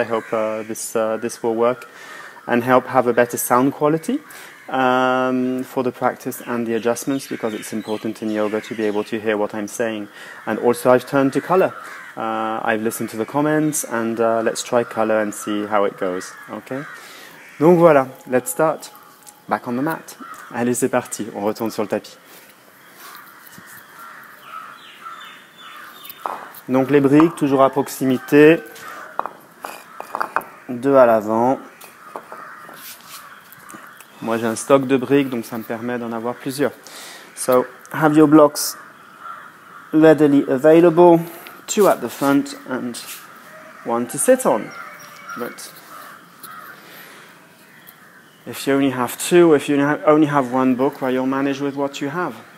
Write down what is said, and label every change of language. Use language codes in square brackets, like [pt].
[en] I hope this will work and help have a better sound quality for the practice and the adjustments, because it's important in yoga to be able to hear what I'm saying. And also, I've turned to color. I've listened to the comments, and let's try color and see how it goes. Okay. [fr] Donc voilà, [en] let's start, back on the mat. [fr] Allez, c'est parti, on retourne sur le tapis. Donc les briques, toujours à proximité. Deux à l'avant. Moi j'ai un stock de briques, donc ça me permet d'en avoir plusieurs. [en] So, have your blocks readily available. Two at the front and one to sit on. But if you only have two, if you only have one book, well, you'll manage with what you have.